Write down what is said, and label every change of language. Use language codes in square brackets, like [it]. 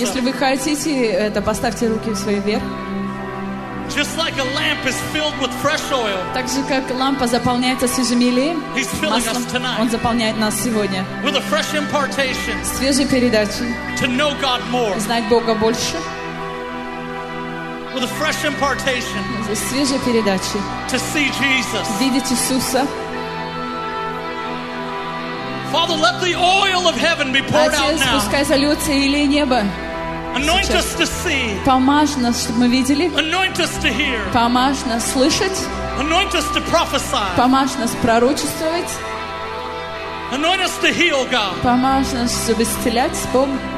[ru] Если вы хотите это, поставьте руки в свои вверх. [en] Just like a lamp is filled with fresh oil. [ru] Так же как лампа заполняется свежим елеем. [en] He's filling us tonight. [ru] Он заполняет нас сегодня. [en] With a fresh impartation. [ru] Свежей передачей. [en] To know God more. [ru] Знать Бога больше. [en] With a fresh impartation. [ru] Свежей передачей. [en] To see Jesus. [ru] Видеть Иисуса. [en] Father, let the oil of heaven be poured out now. [ru] Отец, пускай зальется елей неба. [en] Anoint us to see. [ru] Помажь нас, чтобы мы видели. [en] Anoint us to hear. [ru] Помажь нас слышать. [en] Anoint us to prophesy. [ru] Помажь нас пророчествовать. [en] Anoint us to heal, God. [ru] Помажь нас, чтобы исцелять, Бог.